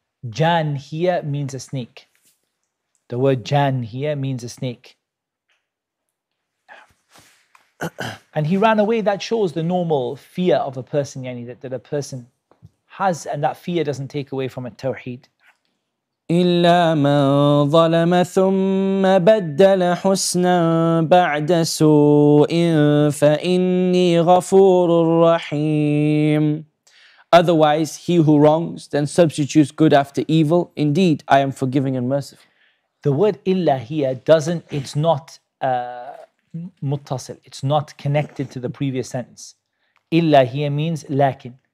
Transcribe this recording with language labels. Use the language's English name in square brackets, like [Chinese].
[English] جان here means a snake. The word جان here means a snake. And he ran away. That shows the normal fear of a person, yani, that a person has, and that fear doesn't take away from a tawheed. [Arabic] إلا من ظلم ثم بدل حسنا بعد سوء فإني غفور رحيم. [English] Otherwise, he who wrongs then substitutes good after evil. Indeed, I am forgiving and merciful. The word إلا here doesn't, it's not متصل. It's not connected to the previous sentence. إلا here means لكن.